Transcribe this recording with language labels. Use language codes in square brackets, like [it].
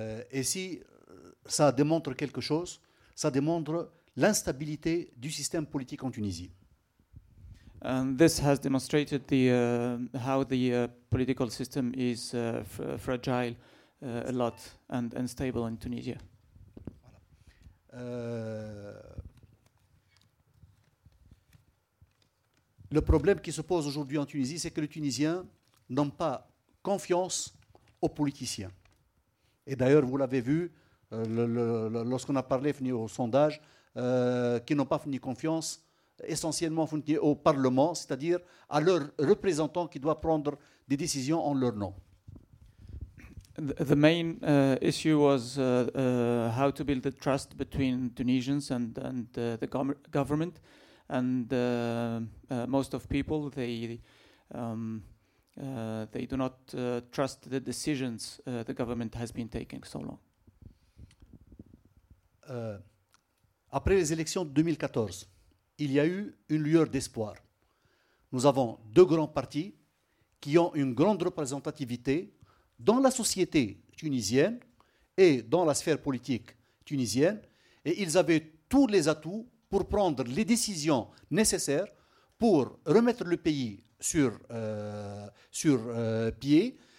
[fr] Et si ça démontre quelque chose, ça démontre l'instabilité du système politique en Tunisie. [en] And this has demonstrated the how the political system is fragile a lot and unstable in Tunisia. [fr] Voilà. Le problème qui se pose aujourd'hui en Tunisie, c'est que les Tunisiens n'ont pas confiance aux politiciens. Et d'ailleurs, vous l'avez vu, lorsqu'on a parlé au sondage, qui n'ont pas fini confiance essentiellement au Parlement, c'est-à-dire à leurs représentants qui doivent prendre des décisions en leur nom. [en] The main issue was how to build the trust between Tunisians and the government. And most of people, they do not trust the decisions the government has been taking so long. [fr] Après les élections de 2014, il y a eu une lueur d'espoir. Nous avons deux grands partis qui ont une grande représentativité dans la société tunisienne et dans la sphère politique tunisienne, et ils avaient tous les atouts pour prendre les décisions nécessaires pour remettre le pays sur pied.